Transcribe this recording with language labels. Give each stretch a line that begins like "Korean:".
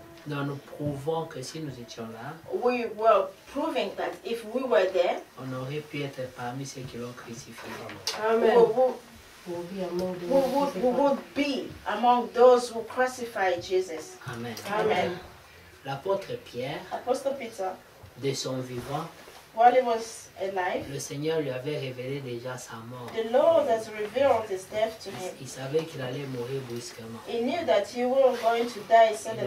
French: Non, nous prouvons que si nous étions là,
English: we were proving that if we were there,
French: on aurait pu être parmi ceux qui l'ont crucifié. Amen.
English: We would be among those who crucified Jesus. Amen. Amen.
French: L'apôtre Pierre,
English: Apostle Peter,
French: de son vivant,
English: while he was alive,
French: le Seigneur lui avait révélé déjà sa mort.
English: The Lord has revealed his death to him.
French: Il savait qu'il allait mourir brusquement.
English: He knew that he was going to die suddenly.